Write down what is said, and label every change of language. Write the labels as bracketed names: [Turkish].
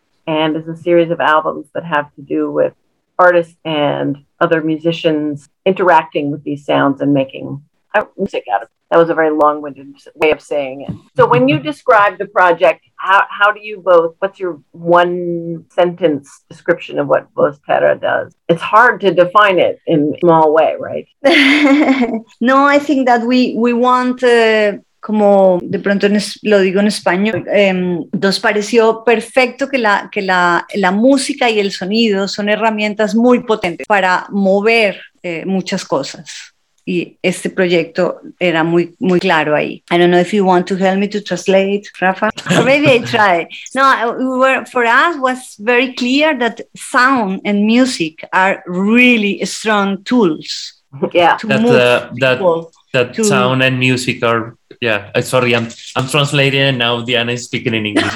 [English] And is a series of albums that have to do with artists and other musicians interacting with these sounds and making music out of it. That was a very long-winded way of saying it. So when you describe the project, how do you both, what's your one sentence description of what Voz Terra does? It's hard to define it in a small way, right? No, I think that we want to... [Spanish] como de pronto lo digo en español, nos pareció perfecto que la música y el sonido son herramientas muy potentes para mover muchas cosas. Y este proyecto era muy, muy claro ahí. [English] I don't know if you want to help me to translate, Rafa. Or maybe I try. No, for us was very clear that sound and music are really strong tools. Yeah. That sound and music are... Yeah, sorry, I'm translating and now Diana is speaking in English.